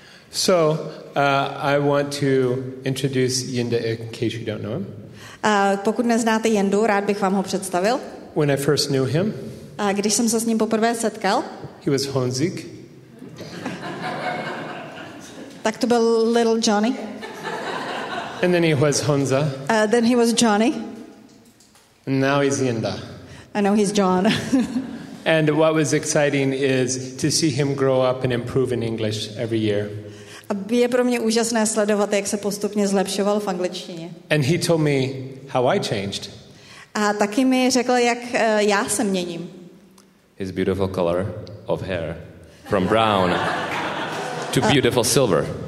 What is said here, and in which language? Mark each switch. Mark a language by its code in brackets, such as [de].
[en] So, I want to introduce Jinda in case you don't know him. [cs] Pokud neznáte Jindu, rád bych vám ho představil. [en] When I first knew him? [cs] Když jsem se s ním poprvé setkal? [en] He was Honzik. [cs] Tak to byl Little Johnny. [en] And then he was Honza. Then he was Johnny. And now he's Jinda. I know he's John. And what was exciting is to see him grow up and improve in English every year. [cs] A je pro mě úžasné sledovat, jak se postupně zlepšoval v angličtině. [en] And he told me how I changed. [cs] A taky mi řekl, jak já se měním. [en] His beautiful color of hair from brown to beautiful silver.